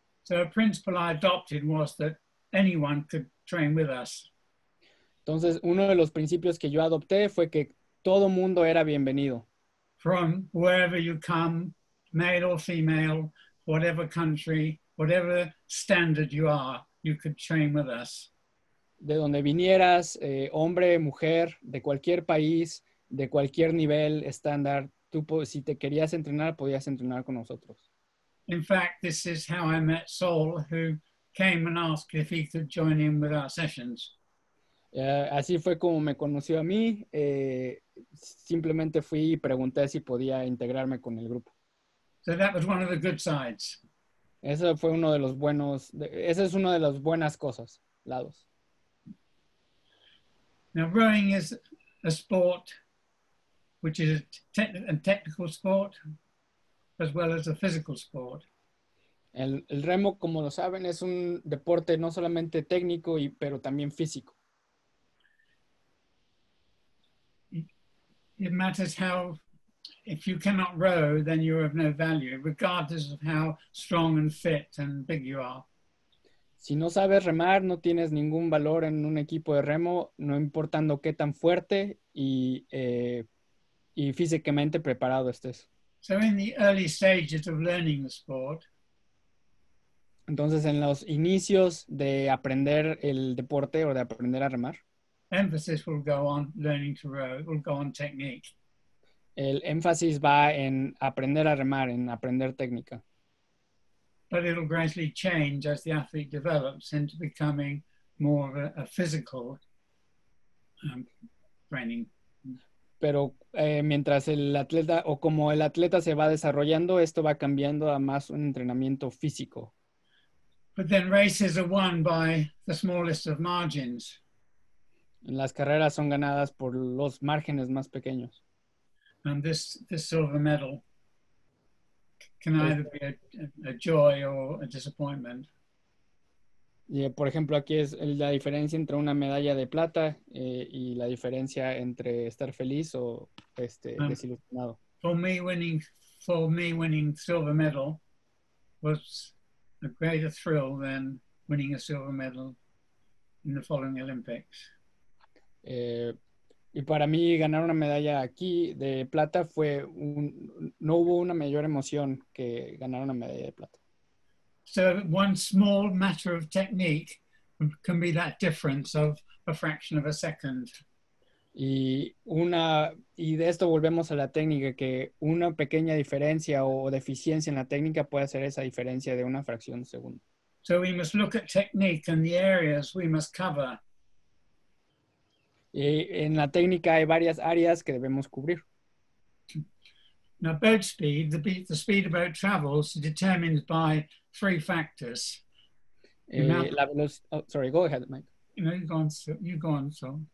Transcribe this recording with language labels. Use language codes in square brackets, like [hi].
[en] A principle I adopted was that anyone could train with us. [es] Entonces, uno de los principios que yo adopté fue que todo mundo era bienvenido. [en] From wherever you come, male or female, whatever country, whatever standard you are, you could train with us. [es] De donde vinieras, hombre, mujer, de cualquier país, de cualquier nivel, estándar, tú si te querías entrenar, podías entrenar con nosotros. [en] In fact, this is how I met Saul, who came and asked if he could join in with our sessions. [es] Así fue como me conoció a mí. Simplemente fui y pregunté si podía integrarme con el grupo. [en] So that was one of the good sides. [es] Eso fue uno de los buenos. Esa es una de las buenas cosas, lados. [en] Now rowing is a sport which is a technical sport as well as a physical sport. [es] El remo, como lo saben, es un deporte no solamente técnico y pero también físico. [en] It matters how, if you cannot row, then you're of no value, regardless of how strong and fit and big you are. [es] Si no sabes remar, no tienes ningún valor en un equipo de remo, no importando qué tan fuerte y físicamente preparado estés. [en] So in the early stages of learning the sport. [es] Entonces, en los inicios de aprender el deporte o de aprender a remar. [en] Emphasis will go on learning to row, will go on technique. [es] El énfasis va en aprender a remar, en aprender técnica. [en] But it'll gradually change as the athlete develops into becoming more of a physical training. [es] Pero mientras el atleta, o como el atleta se va desarrollando, esto va cambiando a más un entrenamiento físico. [en] But then races are won by the smallest of margins. [es] Las carreras son ganadas por los márgenes más pequeños. [en] And this silver medal can either be a joy or a disappointment. [es] Yeah, por ejemplo, aquí es la diferencia entre una medalla de plata y la diferencia entre estar feliz o desilusionado. [en] For me, winning silver medal was a greater thrill than winning a silver medal in the following Olympics. [es] Y para mí ganar una medalla aquí de plata fue no hubo una mayor emoción que ganar una medalla de plata. [en] So one small matter of technique can be that difference of a fraction of a second. [es] Y de esto volvemos a la técnica, que una pequeña diferencia o deficiencia en la técnica puede hacer esa diferencia de una fracción de segundo. [en] So we must look at technique and the areas we must cover. [es] Y en la técnica hay varias áreas que debemos cubrir. [en] Now, boat speed, the speed a boat travels is determined by three factors. Go ahead, Mike. You go on, so.